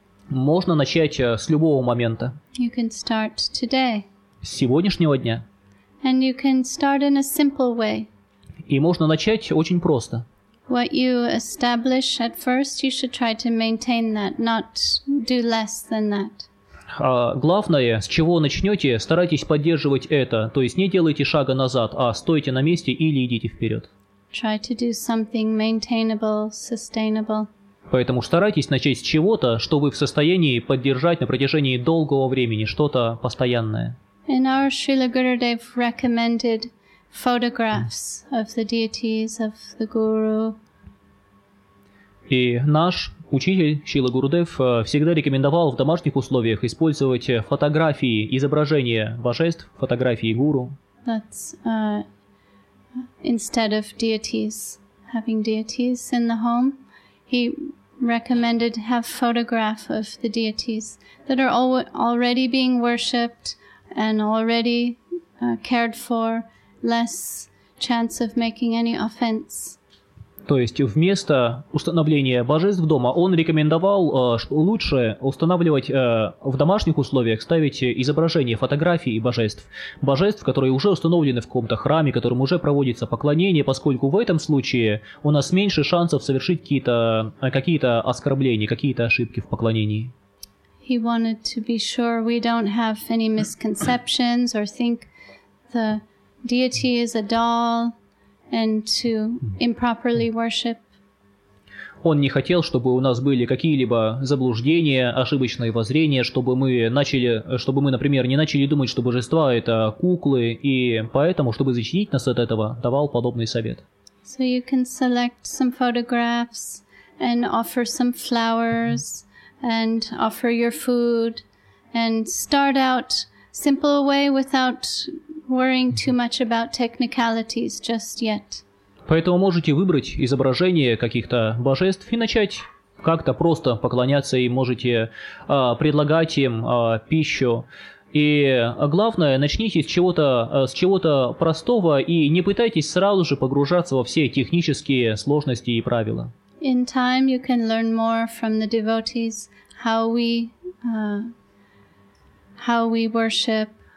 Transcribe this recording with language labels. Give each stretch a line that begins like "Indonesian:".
Russian: Можно начать с любого момента.
English: You can start today.
Russian: С сегодняшнего дня.
English: And you can start in a simple way.
Russian: И можно начать очень просто.
English: What you establish at first, you should try to maintain that, not do less than that.
Russian: Главное, с чего начнете, старайтесь поддерживать это, то есть не делайте шага назад, а стойте на месте или идите вперед.
English: Try to do something maintainable, sustainable.
Russian: Поэтому старайтесь начать с чего-то, что вы в состоянии поддержать на протяжении долгого времени, что-то постоянное.
English: In our Srila Gurudev recommended photographs of the deities, of the guru.
Russian: И наш учитель Шрила Гурудев всегда рекомендовал в домашних условиях использовать фотографии, изображения божеств, фотографии гуру.
English: That's instead of deities, having deities in the home, he recommended have photograph of the deities that are already being worshipped and already cared for. Less chance of making any offense.
Russian: То есть вместо установления божеств дома он рекомендовал, что лучше устанавливать в домашних условиях, ставить изображения, фотографии божеств. Божеств, которые уже установлены в каком-то храме, которым уже проводится поклонение, поскольку в этом случае у нас меньше шансов совершить какие-то оскорбления, какие-то ошибки в поклонении.
English: He wanted to be sure we don't have any misconceptions or think the deity is a doll, and to improperly worship.
Russian: Он не хотел, чтобы у нас были какие-либо заблуждения, ошибочные воззрения, чтобы мы, например, не начали думать, что божества — это куклы, и поэтому, чтобы защитить нас от этого, давал подобный совет.
English: So you can select some photographs and offer some flowers and offer your food and start out simple way without worrying too much about technicalities just yet.
Russian: Поэтому можете выбрать изображение каких-то божеств и начать как-то просто поклоняться им, можете предлагать им пищу. И главное, начните с чего-то простого и не пытайтесь сразу же погружаться во все технические сложности и правила.
English: In time you can learn more from the devotees how we worship.